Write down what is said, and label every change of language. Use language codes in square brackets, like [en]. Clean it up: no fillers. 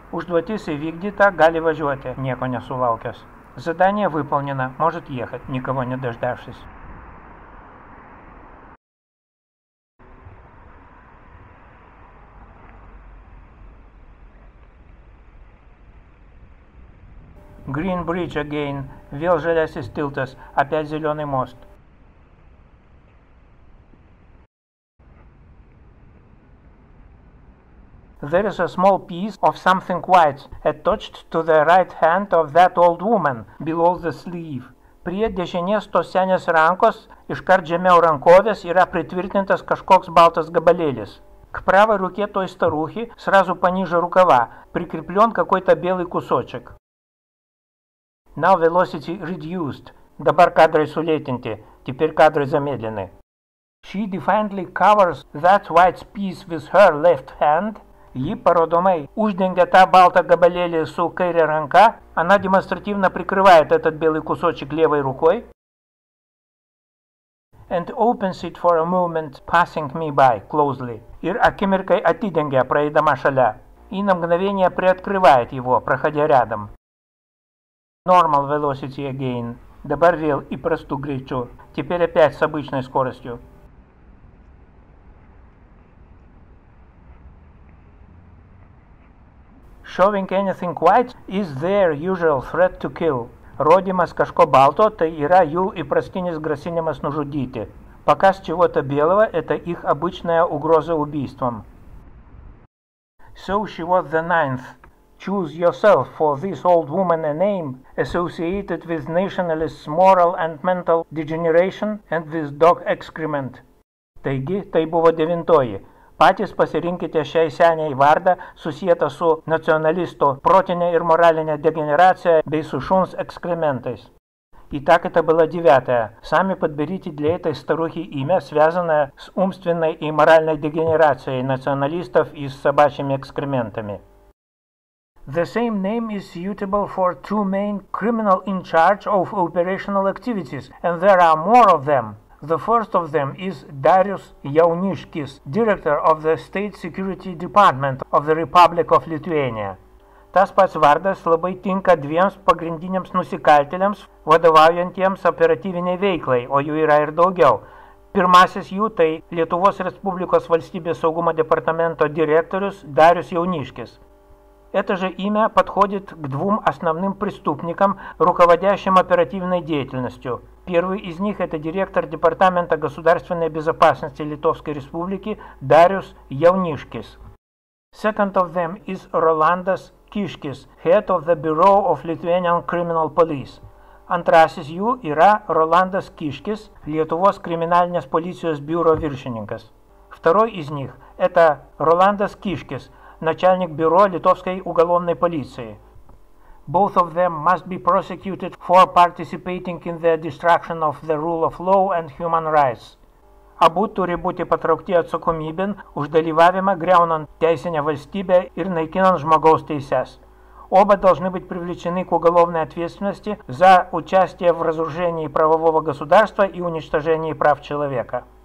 [lt] Užduotis įvykdyta, gali važiuoti, nieko nesulaukęs. [ru] Задание выполнено, может ехать, никого не дождавшись. [en] Green Bridge again, [lt] vėl žaliasis tiltas, [ru] опять зеленый мост. [en] There is a small piece of something white attached to the right hand of that old woman below the sleeve. [lt] Prie dešinės tos senės rankos, iškart žemiau rankovės, yra pritvirtintas kažkoks baltas gabalėlis. [ru] К правой руке той старухи, сразу пониже рукава, прикреплен какой-то белый кусочек. [en] Now velocity reduced. [lt] Dabar [ru] кадры сулетенте. Теперь кадры замедлены. [en] She defiantly covers that white piece with her left hand. [lt] Ji parodomai uždengia tą baltą gabalėlį su kairė ranka. [ru] Она демонстративно прикрывает этот белый кусочек левой рукой. [en] And opens it for a moment, passing me by closely. [lt] Ir akimirkai atidengia, praeidama šalia. [ru] И на мгновение приоткрывает его, проходя рядом. [en] Normal velocity again. [lt] Dabar vėl įprastu greičiu. [ru] Теперь опять с обычной скоростью. [en] Showing anything white is their usual threat to kill. [lt] Rodymas kažko balto, tai yra jų įprastinis grasinimas nužudyti. [ru] Показ чего-то белого – это их обычная угроза убийством. [en] So she was the ninth. Choose yourself for this old woman a name associated with nationalists' moral and mental degeneration and with dog excrement. [lt] Taigi, tai buvo devintoji. Patys pasirinkite šiai seniai vardą susietą su nacionalisto protinė ir moralinė degeneracija bei su šuns ekskrementais. [ru] И так это было девятое. Сами подберите для этой старухи имя, связанное с умственной и моральной дегенерацией националистов и с собачьими экскрементами. [en] The same name is suitable for two main criminal in charge of operational activities, and there are more of them. The first of them is Darius Jaunishkis, director of the State Security Department of the Republic of Lithuania. [lt] Tas pats vardas labai tinka dviems pagrindiniams nusikaltėliams, vadovaujantiems operatyviniai veiklai, o jų yra ir daugiau. Pirmasis jų tai Lietuvos Respublikos valstybės saugumo departamento direktorius Darius Jauniškis. [ru] Это же имя подходит к двум основным преступникам, руководящим оперативной деятельностью. Первый из них – это директор Департамента государственной безопасности Литовской Республики Дариус Яунишкис. [en] Second of them is Rolandas Kiškis, head of the Bureau of Lithuanian Criminal Police. [lt] Antrasis jų yra Rolandas Kiškis, Lietuvos kriminalinės policijos biuro viršininkas. [ru] Второй из них – это Rolandas Kiškis, начальник бюро Литовской уголовной полиции. [en] Both of them must be prosecuted for participating in the destruction of the rule of law and human rights. [lt] Abu turi būti patraukti atsakomybėn už dalyvavimą griaunant teisinę valstybę ir naikinant žmogaus teises. [ru] Оба должны быть привлечены к уголовной ответственности за участие в разрушении правового государства и уничтожении прав человека.